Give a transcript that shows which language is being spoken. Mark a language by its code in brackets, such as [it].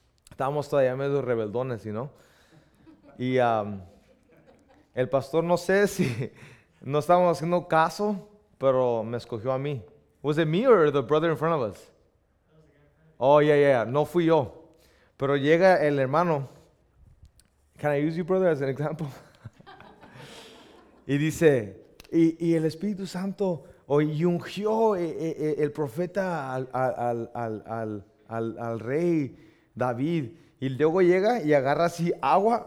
[es] Estábamos todavía medio rebeldones, [en] you know. [es] Y el pastor, no sé si no estábamos haciendo caso, pero me escogió a mí. [en] Was it me or the brother in front of us? Oh, yeah. [es] No fui yo. Pero llega el hermano. [en] Can I use you, brother, as an example? [es] Y dice, y el Espíritu Santo y ungió el profeta al rey David. Y luego llega y agarra así agua.